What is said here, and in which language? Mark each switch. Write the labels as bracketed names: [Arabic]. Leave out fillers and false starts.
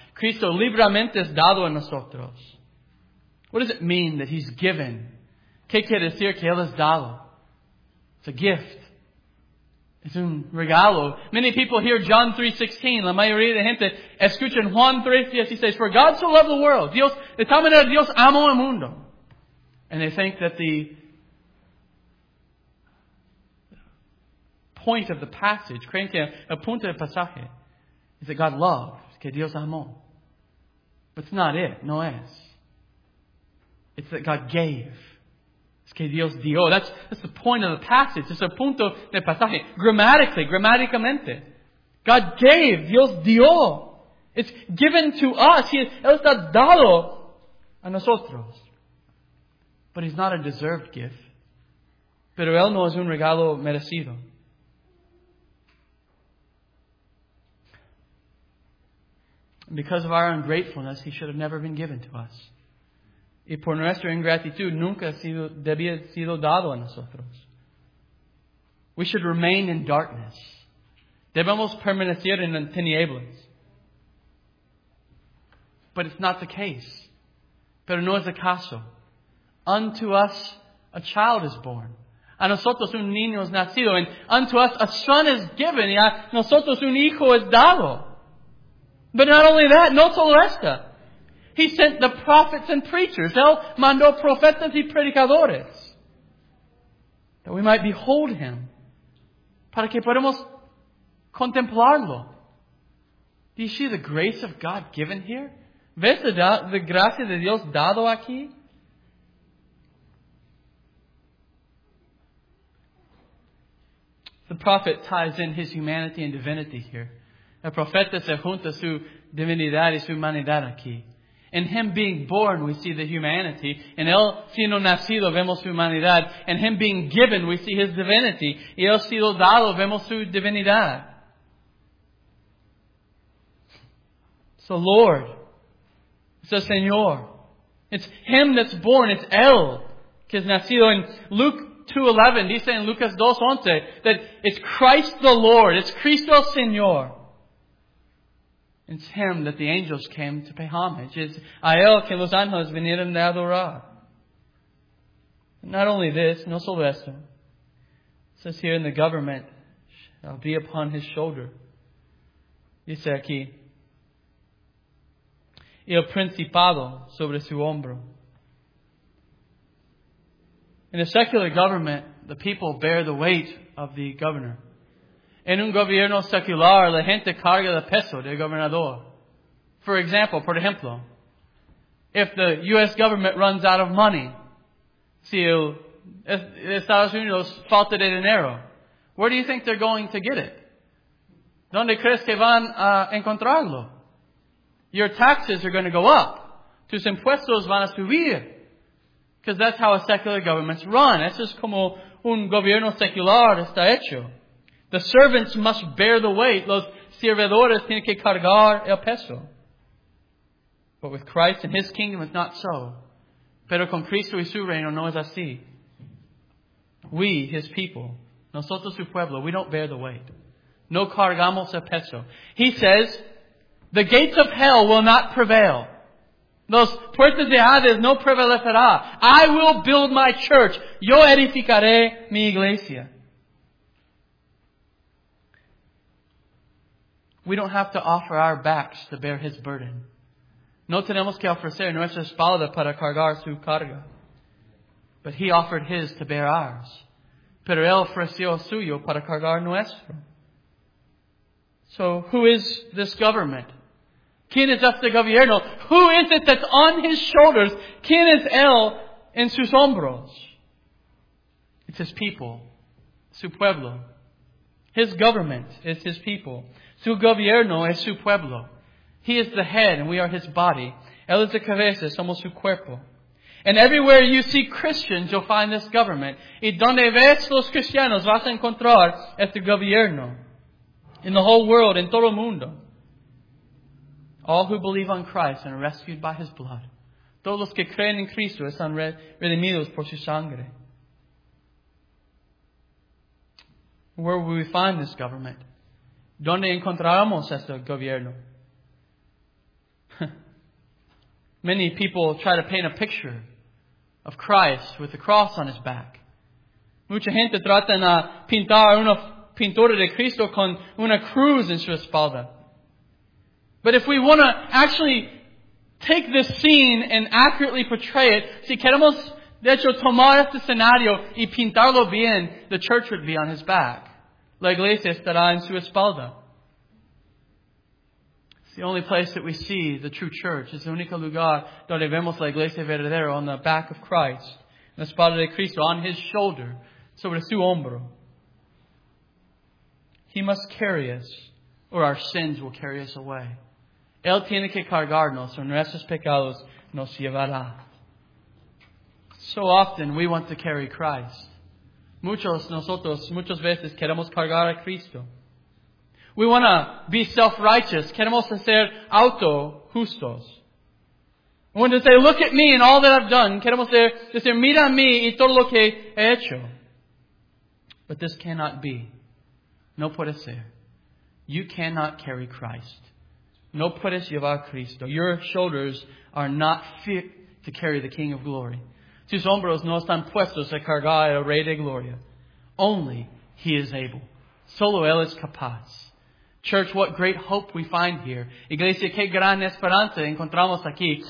[Spanish] Cristo libremente es dado a nosotros. [English] What does it mean that he's given? [Spanish] ¿Qué quiere decir que él es dado? [English] It's a gift. It's [Spanish] un regalo. [English] Many people hear John 3:16. [Spanish] La mayoría de gente escuchan Juan 3:16. [English] He says, "For God so loved the world, [Spanish] Dios de tal manera Dios amó el mundo," [English] and they think that the point of the passage, [Spanish] creen que el punto del pasaje, [English] is that God loved, [Spanish] que Dios amó. [English] But it's not it. [Spanish] No es. [English] It's that God gave. [Spanish] Que Dios dio. [English] That's the point of the passage. [Spanish] Es el punto del pasaje. Grammaticamente. [English] God gave. [Spanish] Dios dio. [English] It's given to us. [Spanish] Él está dado a nosotros. [English] But he's not a deserved gift. [Spanish] Pero él no es un regalo merecido. [English] Because of our ungratefulness, he should have never been given to us. [Spanish] Y por nuestra ingratitud, nunca debía sido dado a nosotros. [English] We should remain in darkness. [Spanish] Debemos permanecer en tinieblas. [English] But it's not the case. [Spanish] Pero no es el caso. [English] Unto us, a child is born. [Spanish] A nosotros, un niño es nacido. [English] And unto us, a son is given. [Spanish] Y a nosotros, un hijo es dado. [English] But not only that, [Spanish] no solo esta. [English] He sent the prophets and preachers. [Spanish] Él mandó profetas y predicadores. [English] That we might behold him. [Spanish] Para que podamos contemplarlo. [English] Do you see the grace of God given here? [Spanish] ¿Ves la gracia de Dios dado aquí? [English] The prophet ties in his humanity and divinity here. [Spanish] El profeta se junta su divinidad y su humanidad aquí. [English] In him being born, we see the humanity. [Spanish] En él siendo nacido, vemos su humanidad. [English] In him being given, we see his divinity. [Spanish] Y él siendo dado, vemos su divinidad. [English] It's the Lord. It's the Señor. It's him that's born. [Spanish] It's él que es nacido. [English] In Luke 2:11, [Spanish] dice en Lucas 2:11, [English] that it's Christ the Lord. It's [Spanish] Cristo el Señor. [English] It's him that the angels came to pay homage. [Spanish] It's a él que los ángeles vinieron de adorar. [English] Not only this, [Spanish] no solo esto. [English] It says here in the government, shall be upon his shoulder. [Spanish] Dice aquí, y el principado sobre su hombro. [English] In a secular government, the people bear the weight of the governor. [Spanish] En un gobierno secular, la gente carga el peso del gobernador. Por ejemplo, [English] if the U.S. government runs out of money, [Spanish] si el Estados Unidos falta de dinero, [English] where do you think they're going to get it? [Spanish] ¿Dónde crees que van a encontrarlo? [English] Your taxes are going to go up. [Spanish] Tus impuestos van a subir. [English] Because that's how a secular government's run. [Spanish] Eso es como un gobierno secular está hecho. [English] The servants must bear the weight. [Spanish] Los servidores tienen que cargar el peso. [English] But with Christ and his kingdom, it's not so. [Spanish] Pero con Cristo y su reino no es así. [English] We, his people, [Spanish] nosotros su pueblo, [English] we don't bear the weight. [Spanish] No cargamos el peso. [English] He says, the gates of hell will not prevail. [Spanish] Los puertas de Hades no prevalecerá. [English] I will build my church. [Spanish] Yo edificaré mi iglesia. [English] We don't have to offer our backs to bear His burden. [Spanish] No tenemos que ofrecer nuestra espalda para cargar su carga. [English] But He offered His to bear ours. [Spanish] Pero Él ofreció suyo para cargar nuestro. [English] So, who is this government? [Spanish] ¿Quién es este gobierno? [English] Who is it that's on His shoulders? [Spanish] ¿Quién es Él en sus hombros? [English] It's His people. [Spanish] Su pueblo. [English] His government is His people. [Spanish] Su gobierno es su pueblo. [English] He is the head and we are His body. [Spanish] Él es la cabeza, somos su cuerpo. [English] And everywhere you see Christians, you'll find this government. [Spanish] Y donde ves los cristianos, vas a encontrar este gobierno. [English] In the whole world, in [Spanish] todo el mundo. [English] All who believe on Christ and are rescued by His blood. [Spanish] Todos los que creen en Cristo están redimidos por su sangre. [English] Where will we find this government? [Spanish] ¿Dónde encontraremos este gobierno? [English] Many people try to paint a picture of Christ with the cross on His back. [Spanish] Mucha gente trata de pintar una pintura de Cristo con una cruz en su espalda. [English] But if we want to actually take this scene and accurately portray it, [Spanish] si queremos de hecho tomar este escenario y pintarlo bien, [English] the church would be on His back. [Spanish] La iglesia estará en su espalda. [English] It's the only place that we see the true church. [Spanish] Es el único lugar donde vemos la iglesia verdadera, [English] on the back of Christ. [Spanish] En la espalda de Cristo, [English] on His shoulder, [Spanish] sobre su hombro. [English] He must carry us, or our sins will carry us away. [Spanish] Él tiene que cargarnos, o nuestros pecados nos llevará. [English] So often we want to carry Christ. [Spanish] Muchas veces queremos cargar a Cristo. [English] We want to be self-righteous. [Spanish] Queremos ser auto-justos. [English] We want to say, look at me and all that I've done. [Spanish] Queremos decir, mira a mí y todo lo que he hecho. [English] But this cannot be. [Spanish] No puede ser. [English] You cannot carry Christ. [Spanish] No puedes llevar a Cristo. [English] Your shoulders are not fit to carry the King of Glory. [Spanish] Tus hombros no están puestos a cargar el Rey de Gloria. [English] Only He is able. [Spanish] Solo Él es capaz. [English] Church, what great hope we find here. [Spanish] Iglesia, qué gran esperanza encontramos aquí.